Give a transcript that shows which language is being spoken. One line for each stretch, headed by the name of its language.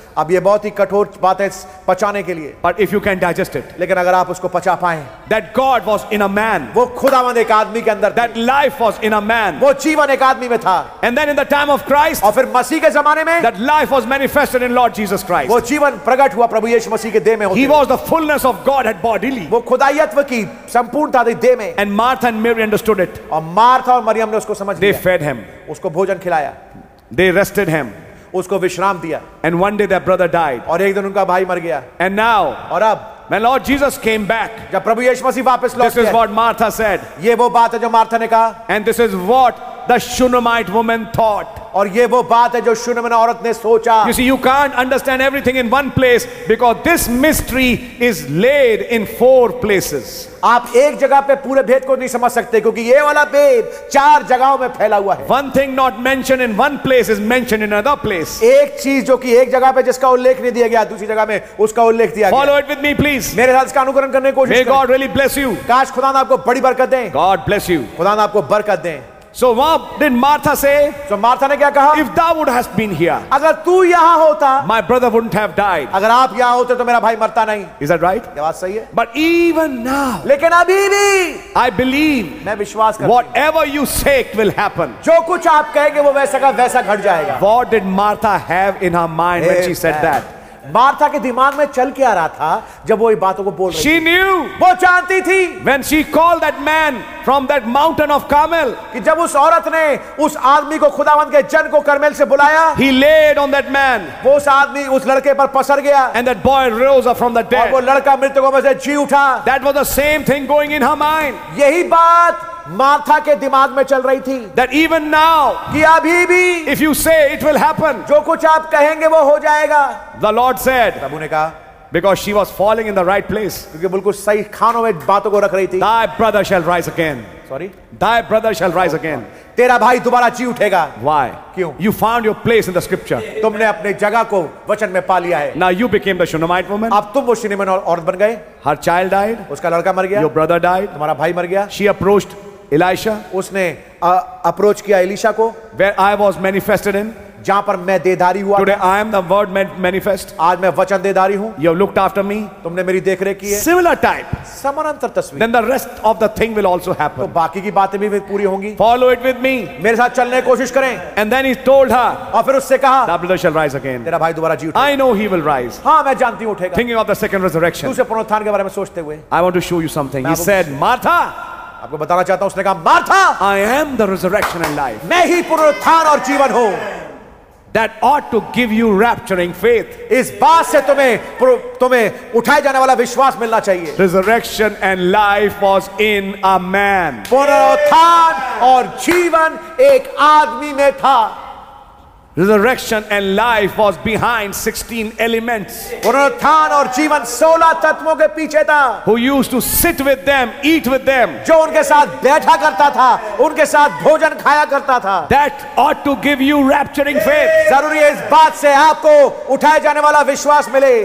Hindi: अब ये बहुत ही कठोर बातें पचाने के लिए.
English: But if you can digest it,
Hindi: लेकिन अगर आप उसको पचा पाएं,
English: that God was in a man.
Hindi: वो खुदावंद एक आदमी के अंदर.
English: That life was in a man.
Hindi: वो जीवन एक आदमी में था.
English: And then in the time of Christ,
Hindi: और फिर मसीह के जमाने में,
English: that life was manifested in Lord Jesus Christ.
Hindi: वो जीवन प्रकट हुआ प्रभु यीशु मसीह के देह में.
English: He was the fullness of Godhead bodily.
Hindi: वो खुदायत्व की संपूर्णता थी देह में.
English: And Martha and Mary understood it.
Hindi: और मार्था और मरियम ने उसको समझ लिया.
English: They fed him.
Hindi: उसको भोजन खिलाया.
English: They rested him.
Hindi: उसको विश्राम दिया.
English: And one day their brother died.
Hindi: और एक दिन उनका भाई मर गया.
English: And now,
Hindi: और अब,
English: when Lord Jesus came back,
Hindi: जब प्रभु यीशु मसीह वापस लौटे,
English: this is what Martha said.
Hindi: ये वो बात है जो मार्था ने कहा.
English: And this is what the Shunammite woman thought.
Hindi: और ये वो बात है जो शूनेमैन औरत ने सोचा.
English: You see, you can't understand everything in one place because this mystery is laid in four places.
Hindi: आप एक जगह पे पूरे भेद को नहीं समझ सकते क्योंकि ये वाला भेद चार जगहों में फैला हुआ है.
English: One thing not mentioned in one place is mentioned in another place.
Hindi: एक चीज जो कि एक जगह पे जिसका उल्लेख नहीं दिया गया दूसरी जगह में उसका उल्लेख दिया गया.
English: Follow it with me, please.
Hindi: मेरे साथ इसका अनुकरण करने की कोशिश करें.
English: May God really bless you.
Hindi: काश खुदा आपको बड़ी बरकत दें.
English: God bless you.
Hindi: खुदा आपको बरकत दें.
English: So what did Martha say?
Hindi: So Martha ने क्या कहा?
English: If thou would have been here,
Hindi: अगर तू यहाँ होता,
English: my brother wouldn't have died.
Hindi: अगर आप यहाँ होते तो मेरा भाई मरता नहीं.
English: Is that right?
Hindi: जवाब सही है.
English: But even now,
Hindi: लेकिन अभी भी,
English: I believe,
Hindi: मैं विश्वास करता हूँ,
English: whatever you say it will happen.
Hindi: जो कुछ आप कहेंगे वो वैसा का वैसा घट जाएगा.
English: What did Martha have in her mind when she said that?
Hindi: Martha के दिमाग में चल क्या रहा था जब वो ये बातों को बोल रही थी? वो जानती थी.
English: When she called that man from that mountain of Carmel,
Hindi: कि जब उस औरत ने उस आदमी को खुदावंद के जन को कर्मेल से बुलाया,
English: he laid on that man.
Hindi: वो उस आदमी उस लड़के पर पसर गया.
English: And that boy rose up from the dead.
Hindi: और वो लड़का मृतकों में से जी उठा.
English: That was the same thing going in her mind.
Hindi: यही बात मार्था के दिमाग में चल रही थी.
English: That even now,
Hindi: कि अभी भी,
English: if you say it will happen,
Hindi: जो कुछ आप कहेंगे वो हो जाएगा.
English: The Lord said,
Hindi: प्रभु ने कहा,
English: because she was falling in the right place,
Hindi: क्योंकि बिल्कुल सही खानों में बातों को रख रही थी.
English: Thy brother shall rise again. Sorry, thy brother shall rise again.
Hindi: तेरा भाई दोबारा जी उठेगा.
English: Why?
Hindi: क्यों?
English: You found your place in the scripture.
Hindi: तुमने अपने जगह को वचन में पा लिया है.
English: Now you became the Shunammite woman.
Hindi: अब तुम वो शूनेमैन औरत बन गए.
English: Her child died.
Hindi: उसका लड़का मर गया.
English: Your brother died.
Hindi: तुम्हारा भाई मर गया.
English: She approached Elisha.
Hindi: उसने अप्रोच किया एलिशा को.
English: Where I was manifested in,
Hindi: जहां पर मैं देहधारी हुआ
English: Today, I am the word manifest.
Hindi: आज मैं वचन देहधारी हूं.
English: You have looked after me.
Hindi: तुमने मेरी देखरेख की है.
English: Similar type.
Hindi: समानांतर तस्वीर.
English: Then the rest of the thing will also happen.
Hindi: तो बाकी की बातें भी पूरी होंगी.
English: Follow it with me.
Hindi: मेरे साथ चलने की कोशिश करें.
English: And then he told her.
Hindi: और फिर उससे कहा.
English: The brother shall rise again.
Hindi: तेरा भाई दोबारा जी उठेगा.
English: I know he will rise.
Hindi: हाँ, मैं जानती हूं उठेगा.
English: Thinking of the second resurrection.
Hindi: दूसरे पुनरुत्थान के बारे में सोचते हुए.
English: I want to show you something. He said, Martha.
Hindi: आपको बताना चाहता हूं. उसने कहा, Martha.
English: I am the resurrection and life.
Hindi: मैं ही पुनरुत्थान और जीवन हूं.
English: That ought to give you rapturing faith.
Hindi: इस बात से तुम्हें उठाए जाने वाला विश्वास मिलना चाहिए.
English: Resurrection and life was in a man.
Hindi: पुनरुत्थान और जीवन एक आदमी में था.
English: Resurrection and life was behind 16 elements.
Hindi: पुनरुत्थान और जीवन 16 तत्वों के पीछे था.
English: Who used to sit with them, eat with them.
Hindi: जो उनके साथ बैठा करता था, उनके साथ भोजन खाया करता था.
English: That ought to give you rapturing faith.
Hindi: जरूरी है इस बात से आपको उठाए जाने वाला विश्वास मिले.